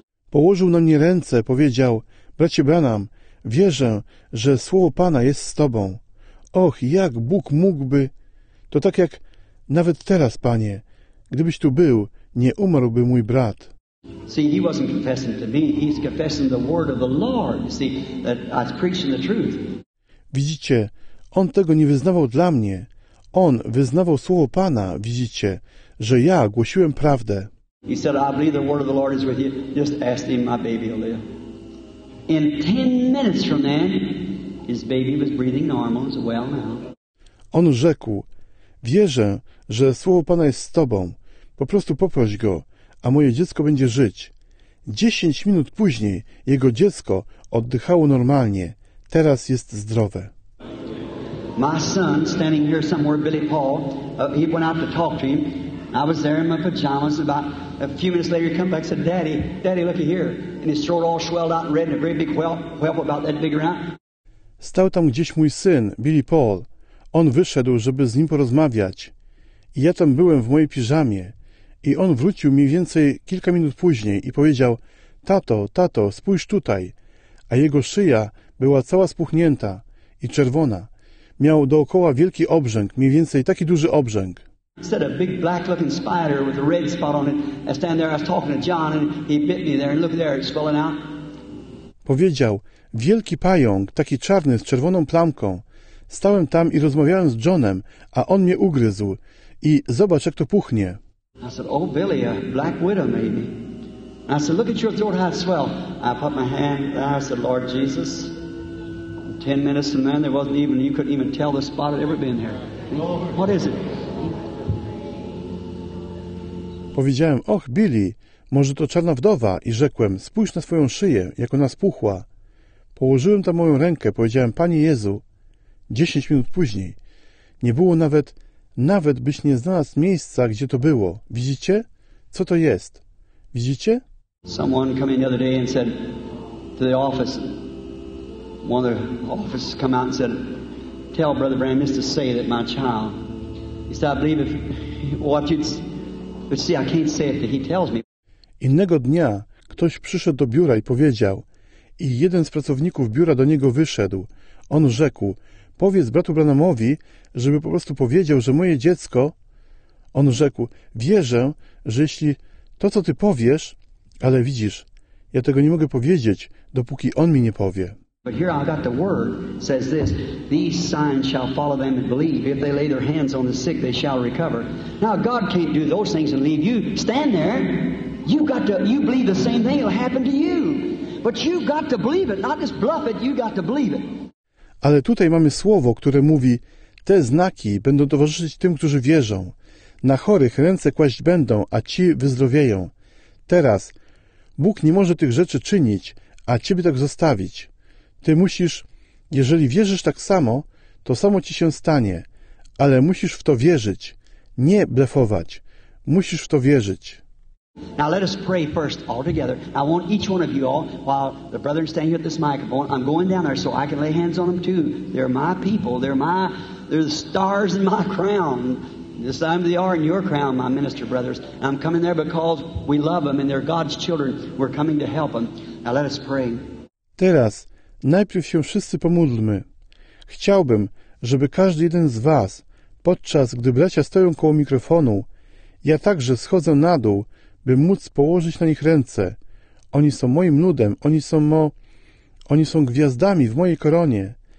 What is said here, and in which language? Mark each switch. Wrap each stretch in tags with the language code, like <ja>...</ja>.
<pl>Położył na mnie ręce, powiedział, bracie Branham, wierzę, że słowo Pana jest z Tobą. Och, jak Bóg mógłby... To tak jak nawet teraz, Panie, gdybyś tu był, nie umarłby mój brat.</pl> <en>See, he wasn't confessing to me. He's confessing the word of the Lord. You see, that I was preaching the truth.</en> <pl>Widzicie, on tego nie wyznawał dla mnie. On wyznawał słowo Pana, widzicie, że ja głosiłem prawdę.</pl> <en>He said, I believe the word of the Lord is with you. Just ask him, my baby will live. In 10 minutes from then, his baby was breathing normal, as well now.</en> <pl>On rzekł, wierzę, że słowo Pana jest z Tobą. Po prostu poproś go. A moje dziecko będzie żyć. 10 minut później jego dziecko oddychało normalnie. Teraz jest zdrowe.</pl> <en>My son standing here somewhere, Billy Paul, he went out to talk to him. I was there in my pajamas. About a few minutes later, he come back and said, "Daddy, Daddy, looky here." And his throat all swelled out and red, and a great big whelp about that big around.</en> <pl>Stał tam gdzieś mój syn, Billy Paul. On wyszedł, żeby z nim porozmawiać. I ja tam byłem w mojej piżamie. I on wrócił mniej więcej kilka minut później i powiedział, tato, tato, spójrz tutaj. A jego szyja była cała spuchnięta i czerwona. miał dookoła wielki obrzęk, mniej więcej taki duży obrzęk.</pl> <en>Instead of a big black-looking spider with a red spot on it, I stand there. I was talking to John, and he bit me there. And look there, it's swelling out.</en> <pl>Powiedział: wielki pająk, taki czarny z czerwoną plamką. Stałem tam i rozmawiałem z Johnem, a on mnie ugryzł. I zobacz, jak to puchnie.</pl> <en>I said, "Oh, Billy, a black widow, maybe." And I said, "Look at your throat, how it swell." I put my hand there. I said, "Lord Jesus." 10 minutes from then, there wasn't even you couldn't even tell the spot had ever been here. What is it?</en> <pl>Powiedziałem: och, Billy, może to czarna wdowa, i rzekłem: spójrz na swoją szyję, jak ona spuchła. Położyłem tam moją rękę, powiedziałem: Panie Jezu. 10 minut później. Nie było nawet byś nie znalazł miejsca, gdzie to było. Widzicie? Co to jest? Widzicie?</pl> <en>Someone came in the other day and said to the office, one of the officers come out and said, tell Brother Branham, Mr. Say that my child, he said, I believe if what you'd But see, I can't say it, but he tells me.</en> <pl>Innego dnia ktoś przyszedł do biura i powiedział, i jeden z pracowników biura do niego wyszedł. On rzekł: powiedz bratu Branhamowi, żeby po prostu powiedział, że moje dziecko... On rzekł: wierzę, że jeśli to, co ty powiesz, ale widzisz, ja tego nie mogę powiedzieć, dopóki on mi nie powie.</pl> <en>But here I got the word, says this, these signs shall follow them and believe. If they lay their hands on the sick, they shall recover. Now, God can't do those things and leave you. Stand there. You believe the same thing will happen to you. But you got to believe it, not just bluff it, you got to believe it.</en> <pl>Ale tutaj mamy słowo, które mówi, te znaki będą towarzyszyć tym, którzy wierzą. Na chorych ręce kłaść będą, a ci wyzdrowieją. Teraz, Bóg nie może tych rzeczy czynić, a ciebie tak zostawić. Ty musisz, jeżeli wierzysz tak samo, to samo ci się stanie, ale musisz w to wierzyć, nie blefować. Musisz w to wierzyć.</pl> <en>Now let us pray first all together. I want each one of you all, while the brethren stand here at this microphone, I'm going down there so I can lay hands on them too. They're my people. They're the stars in my crown. This time they are in your crown, my minister brothers. I'm coming there because we love them and they're God's children. We're coming to help them. Now let us pray.</en> <pl>Teraz najpierw się wszyscy pomódlmy. Chciałbym, żeby każdy jeden z was, podczas gdy bracia stoją koło mikrofonu, ja także schodzę na dół, by móc położyć na nich ręce. Oni są moim ludem, oni są gwiazdami w mojej koronie.</pl>